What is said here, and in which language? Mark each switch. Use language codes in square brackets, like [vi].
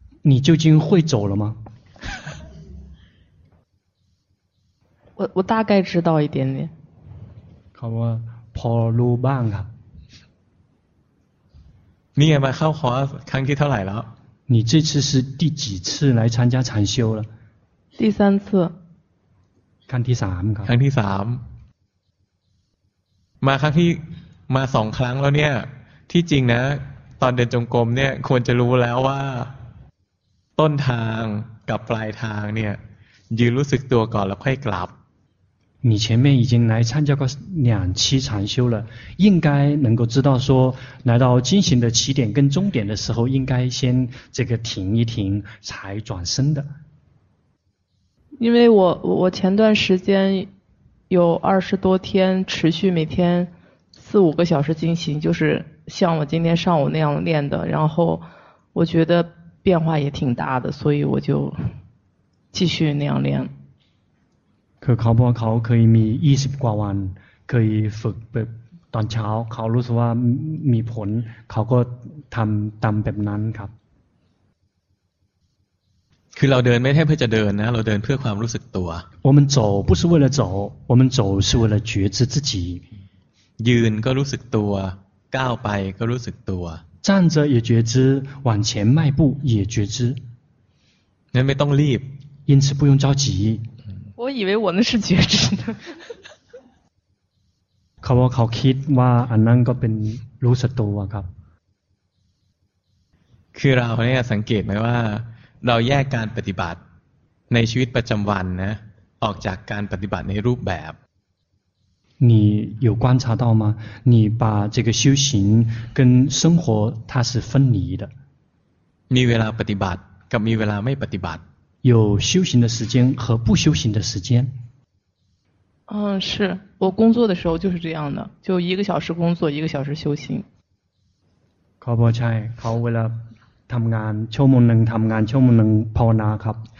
[zh] 你究竟会走了吗我大概知道一点点 [th] คำว่าพอรู้บ้างค่ะ นี่ไงมาเข้าขอครั้งที่เท่าไหร่แล้ว [zh] 你这次是第几次来参加禅修了第三次 [th] ครั้งที่3ครับ ครั้งที่3มาครั้งที่มา2ครั้งแล้วเนี่ยที่จริงนะตอนเดินจงกรมเนี่ยควรจะรู้แล้วว่าต้นทางกับปลายทางเนี่ยยืนรู้สึกตัวก่อนแล้วค่อยกลับ [zh] 你前面已经来参加过两期禅修了应该能够知道说来到进行的起点跟终点的时候应该先这个停一停才转身的因为我前段时间有20多天持续每天4-5个小时进行就是像我今天上午那样练的然后我觉得变化也挺大的所以我就继续那样练 [th] คือเขาบอกเขาเคยมี20 กว่าวันเคยฝึกแบบตอนเช้าเขารู้สึกว่ามีผลเขาก็ทำตามแบบนั้นครับ คือเราเดินไม่ใช่เพื่อจะเดินนะเราเดินเพื่อความรู้สึกตัว [zh] 我们走不是为了走我们走是为了觉知自己 [th] ยืนก็รู้สึกตัวก้าวไปก็รู้สึกตัว [zh] 站着也觉知往前迈步也觉知 [th] นั้นไม่ต้องรีบ [zh] 因此不用着急我以为我那是觉知呢 [th] เขาบอกเขาคิดว่าอันนั้นก็เป็นรู้สึกตัวครับ คือเราเนี่ยสังเกตไหมว่าเราแยกการปฏิบัติในชีวิตประจำวันนะออกจากการปฏิบัติในรูปแบบ [zh] 你有观察到吗？你把这个修行跟生活它是分离的。 [th] มีเวลาปฏิบัติกับมีเวลาไม่ปฏิบัติ。 [zh] 有修行的时间和不修行的时间。嗯，是我工作的时候就是这样的，就一个小时工作，一个小时修行。 [th] เขาบอกใช่เขาเวลาทำงานชั่วโมงหนึ่งทำงานชั่วโมงหนึ่งภาวนาครับ